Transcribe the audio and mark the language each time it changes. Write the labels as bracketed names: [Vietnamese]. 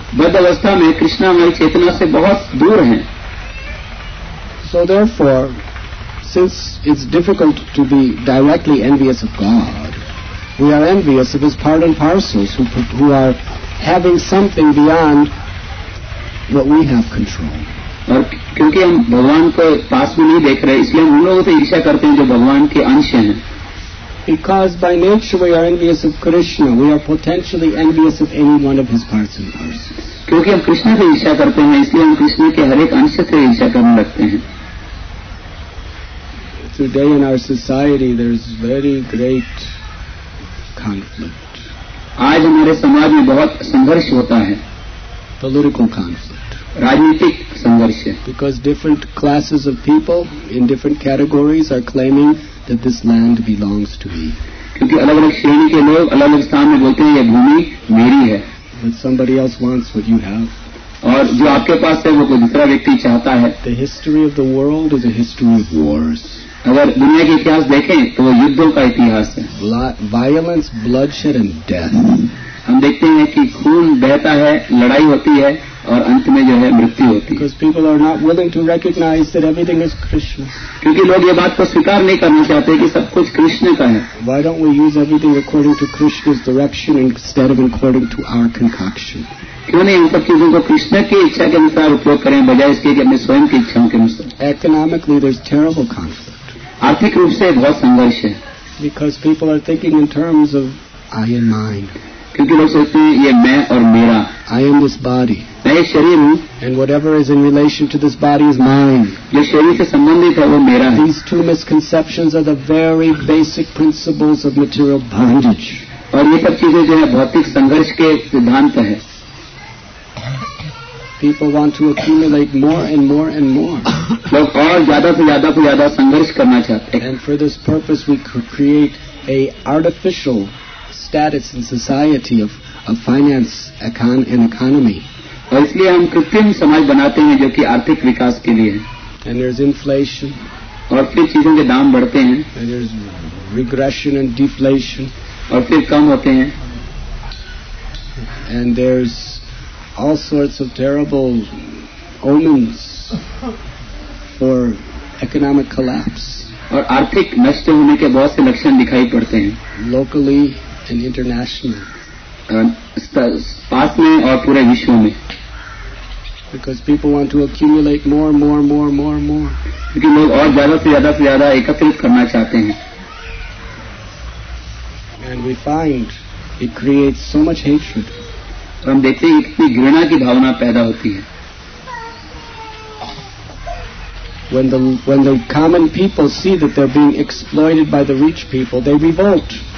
[Hindi] बद्ध अवस्था में कृष्ण हमारी चेतना से बहुत दूर हैं. [English] So therefore, since it's difficult to be directly envious of God, we are envious of his part and parcels who are having something beyond what we have control. [Hindi] और क्योंकि हम भगवान को पास में नहीं देख रहे इसलिए हम उन लोगों से ईर्ष्या करते हैं जो भगवान के अंश हैं. [English] Because by nature we are envious of Krishna, we are potentially envious of any one of his parts and parcels. [Hindi] क्योंकि हम कृष्ण से ईर्ष्या करते हैं इसलिए हम कृष्ण के हर एक अंश से ईर्ष्या करने लगते हैं. [English] Today in our society there is very great conflict. [Hindi] आज हमारे समाज में बहुत संघर्ष होता है. [English] Political conflict. [Hindi] राजनीतिक संघर्ष. [English] Because different classes of people in different categories are claiming that this land belongs to me. [Hindi] क्योंकि अलग अलग श्रेणी के लोग अलग अलग स्थान में बोलते हैं यह भूमि मेरी है. [English] And somebody else wants what you have. [Hindi] और जो आपके पास है वो कोई दूसरा व्यक्ति चाहता है. [English] The history of the world is a history of wars. [Hindi] अगर दुनिया के इतिहास देखें तो वो युद्धों का इतिहास है. [English] Violence, bloodshed and death. [Hindi] हम देखते हैं कि खून बहता है, लड़ाई होती है और अंत में जो है मृत्यु होती है. [English] Because people are not willing to recognize that everything is Krishna. [Hindi] क्योंकि लोग ये बात को स्वीकार नहीं करना चाहते कि सब कुछ कृष्ण का है. [English] Why don't we use everything according to Krishna's direction instead of according to our concoction? [Hindi] क्यों नहीं इन सब चीजों को कृष्ण की इच्छा के अनुसार उपयोग करें बजाय इसके कि अपने स्वयं की इच्छाओं के अनुसार. [English] Economically there's terrible conflict. [Hindi] आर्थिक रूप से बहुत संघर्ष है. [English] Because people are thinking in terms of I and mine. [Hindi] क्योंकि लोग सोचते हैं ये मैं और मेरा. [English] I am this body. [Hindi] मैं ये शरीर हूँ. [English] And whatever is in relation to this body is mine. [Hindi] ये शरीर से संबंधित है वो मेरा है. [English] These two misconceptions are the very basic principles of material bondage. [Hindi] और ये सब चीजें जो है भौतिक संघर्ष के सिद्धांत है. [English] People want to accumulate more and more and more. [Hindi] लोग और ज्यादा से ज्यादा से ज्यादा संघर्ष करना चाहते हैं. [English] And for this purpose we create a artificial status in society of finance and economy. [Hindi] और इसलिए हम कृत्रिम समाज बनाते हैं जो कि आर्थिक विकास के लिए है. [English] And there's inflation. [Hindi] और फिर चीजों के दाम बढ़ते हैं. [English] And there's regression and deflation. [Hindi] और फिर कम होते हैं. [English] And there's all sorts of terrible omens for economic collapse. [Hindi] और आर्थिक नष्ट होने के बहुत से लक्षण दिखाई पड़ते हैं. [English] Locally and internationally. [Hindi] पास में और पूरे विश्व में. [English] Because people want to accumulate more, more, more, more, more. [Hindi] क्योंकि लोग और ज्यादा से ज्यादा से ज्यादा एकत्रित करना चाहते हैं. [English] And we find it creates so much hatred. [Hindi] और हम देखते हैं इतनी घृणा की भावना पैदा होती है. [English] When the common people see that they're being exploited by the rich people, they revolt.